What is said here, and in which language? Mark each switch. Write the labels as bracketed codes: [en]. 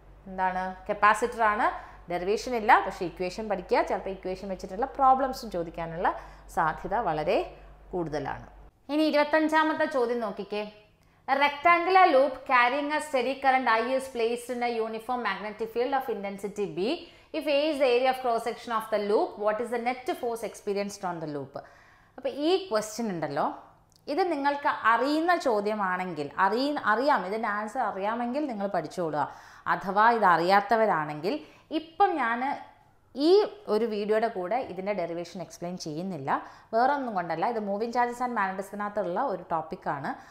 [ml] എന്താണ് കപ്പാസിറ്ററാണ് ഡെറിവേഷൻ ഇല്ല പക്ഷേ ഇക്വേഷൻ പഠിക്കുക ചിലപ്പോൾ ഇക്വേഷൻ വെച്ചിട്ടുള്ള പ്രോബ്ലംസും ചോദിക്കാനുള്ള സാധ്യത വളരെ കൂടുതലാണ് ഇനി 25-ാമത്തെ ചോദ്യം നോക്കിക്കേ [en] rectangular loop carrying a steady current I is placed in a uniform magnetic field of intensity B. If A is the area of cross section of the loop, what is the net force experienced on the loop? [ml] അപ്പോൾ ഈ question ഉണ്ടല്ലോ, ഇത് നിങ്ങൾക്ക് അറിയുന്ന ചോദ്യമാണെങ്കിൽ അറിയാം, ഇതിൻ്റെ answer അറിയാമെങ്കിൽ നിങ്ങൾ പഠിച്ചുകൊള്ളുക. അഥവാ ഇത് അറിയാത്തവരാണെങ്കിൽ ഇപ്പം ഞാൻ ഈ ഒരു വീഡിയോയുടെ കൂടെ ഇതിൻ്റെ ഡെറിവേഷൻ എക്സ്പ്ലെയിൻ ചെയ്യുന്നില്ല. വേറെ ഒന്നും കൊണ്ടല്ല, ഇത് മൂവിങ് ചാർജസ് ആൻഡ് മാഗ്നറ്റിസത്തിനകത്തുള്ള ഒരു ടോപ്പിക്കാണ്.